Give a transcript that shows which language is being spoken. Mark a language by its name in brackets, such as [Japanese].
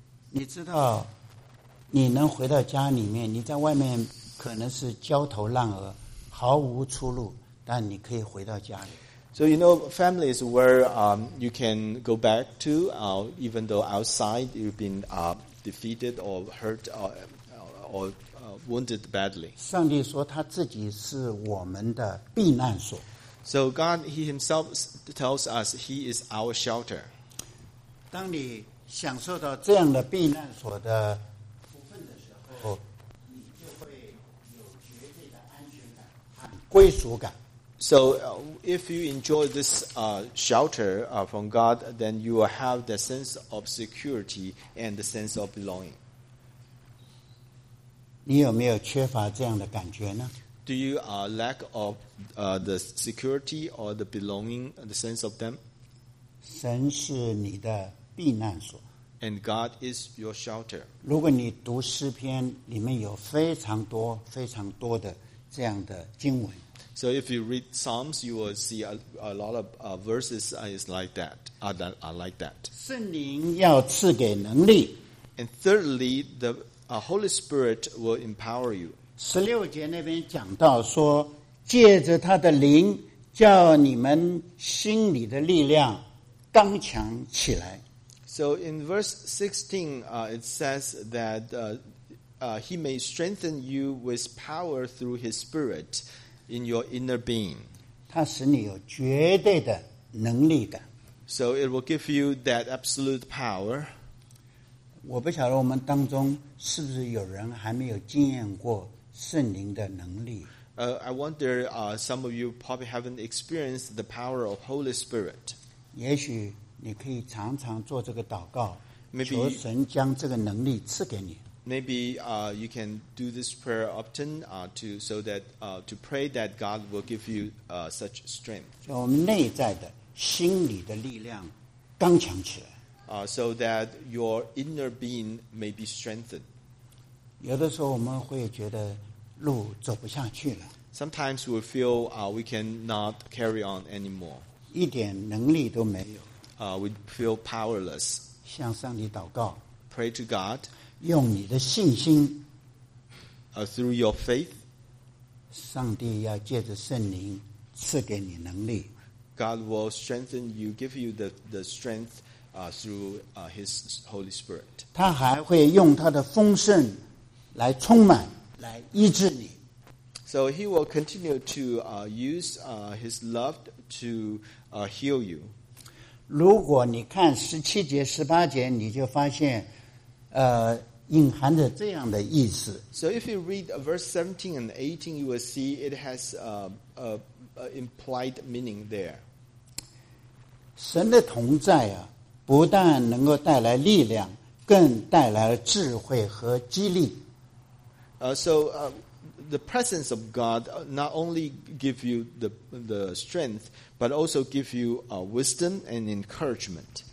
[Chinese] 你知道你能回到家里面你在外面可能是焦头烂额毫无出路但你可以回到家里 [English] So, you know, family is where you can go back to, even though outside you've been defeated or hurt or wounded badly. [Chinese] 上帝说他自己是我们的避难所。 [English] So God, he himself tells us he is our shelter. [Chinese] 当你享受到这样的避难所的福分的时候你就会有绝对的安全感和归属感。 [English] So if you enjoy this shelter from God, then you will have the sense of security and the sense of belonging. [Chinese] 你有没有缺乏这样的感觉呢? [English] Do you lack of the security or the belonging, the sense of them? [Chinese] 神是你的避难所。 [English] And God is your shelter. [Chinese] 如果你读诗篇里面有非常多非常多的这样的经文。 [English] So if you read Psalms, you will see a lot of verses is like that, are like that. [Chinese] 圣灵要赐给能力。 [English] And thirdly, the Holy Spirit will empower you. [Chinese] 十六节那边讲到说，借着他的灵，叫你们心里的力量刚强起来。 [English] So in verse 16, it says that he may strengthen you with power through his spirit in your inner being. [Chinese] 他使你有绝对的能力的。 [English] So it will give you that absolute power. [Chinese] 我不晓得我们当中是不是有人还没有经验过圣灵的能力。 [English] I wonder, some of you probably haven't experienced the power of Holy Spirit. [Chinese] 也许你可以常常做这个祷告，求神将这个能力赐给你。 [English] Maybe, you can do this prayer often, to pray that God will give you, such strength. [Chinese] 让我们内在的心里的力量刚强起来。 [English] So that your inner being may be strengthened. [Chinese] 有的时候我们会觉得路走不下去了。 [English] Sometimes we feel, we cannot carry on anymore. [Chinese] 一点能力都没有。 [English] We feel powerless. [Chinese] 向上帝祷告。 [English] Pray to God. [Chinese] 用你的信心。 [English] Through your faith. [Chinese] 上帝要借着圣灵赐给你能力。 [English] God will strengthen you, give you the strength, through, His Holy Spirit. [Chinese] 他还会用他的丰盛来充满。来医治你。 [English] So he will continue to use his love to heal you. [Chinese] 如果你看十七节、十八节，你就发现，隐含着这样的意思。 [English] So if you read verse 17 and 18, you will see it has a implied meaning there. [Chinese] 神的同在啊，不但能够带来力量，更带来了智慧和激励。 [English] So the presence of God not only give you the strength, but also give you wisdom and encouragement.